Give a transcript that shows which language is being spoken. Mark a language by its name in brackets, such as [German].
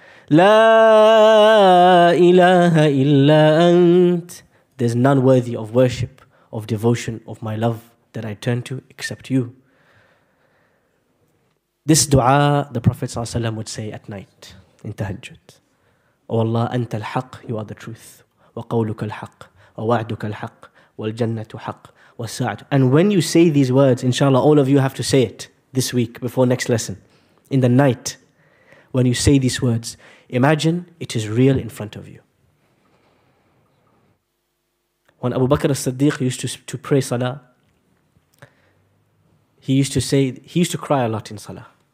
[Arabic] لَا إِلَهَ إِلَّا أَنْتَ [English] There's none worthy of worship, of devotion, of my love that I turn to except you. This dua, the Prophet ﷺ would say at night in tahajjud. Oh Allah, [Arabic] أنت الحق, [English] you are the truth. [Arabic] وقولك الحق, ووعدك الحق, والجنة حق, والساعة. [English] And when you say these words, inshallah, all of you have to say it this week before next lesson. In the night, when you say these words, imagine it is real in front of you. When Abu Bakr as-Siddiq used to pray salah, he used to cry a lot in salah.